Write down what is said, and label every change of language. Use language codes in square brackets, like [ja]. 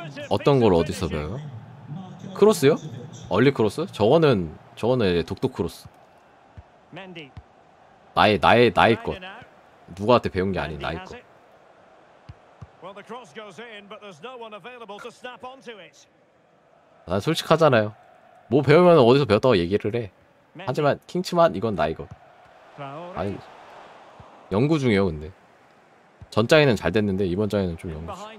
[ko] 어떤 걸 어디서 배워요? 크로스요? 얼리 크로스? 저거는 이제 독도 크로스. 나의 것. 누구한테 배운 게 아닌 나의 것. [en] Well, the cross goes in, but there's no one available to snap onto it. [ko] 난 솔직하잖아요. 뭐 배우면 어디서 배웠다고 얘기를 해. 하지만 킹츠만 이건 나 이거. 아니 연구 중이에요. 근데 전장에는 잘 됐는데 이번 장에는 좀 연구.